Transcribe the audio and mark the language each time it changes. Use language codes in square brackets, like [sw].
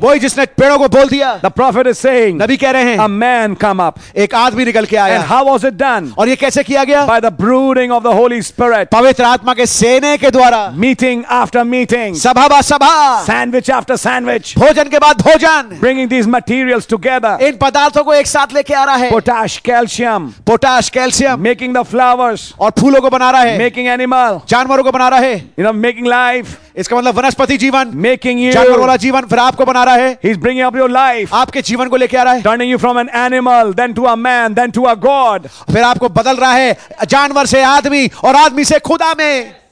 [hi] वही जिसने पेड़ों को बोल दिया. [en] The prophet is saying. [hi] नबी कह रहे हैं. [en] A man come up. [hi] एक आदमी निकल के आया. [en] And how was it done? [hi] और ये कैसे किया गया? [en] By the brooding of the Holy Spirit. [hi] पवित्र आत्मा के सेने के द्वारा. [en] Meeting after meeting. [hi] सभा बा सभा. [en] Sandwich after sandwich. [hi] भोजन के बाद भोजन. [en] Bringing these materials together. [hi] इन पदार्थों को एक साथ लेके आ रहा है. [en] Potash, calcium. Potash, calcium. Making the flowers. [hi] और फूलों को बना रहा है. [en] Making animal. [hi] जानवरों को बना रहा है. [en] You know, making life. [hi] इसका मतलब वनस्पति जीवन. [en] making you [hi] जानवर वाला जीवन फिर आपको बना रहा है. [en] He's bringing up your life. [hi] आपके जीवन को लेके आ रहा है. [en] Turning you from an animal, then to a man, then to a God. [hi] फिर आपको बदल रहा है जानवर से आदमी और आदमी से खुदा में.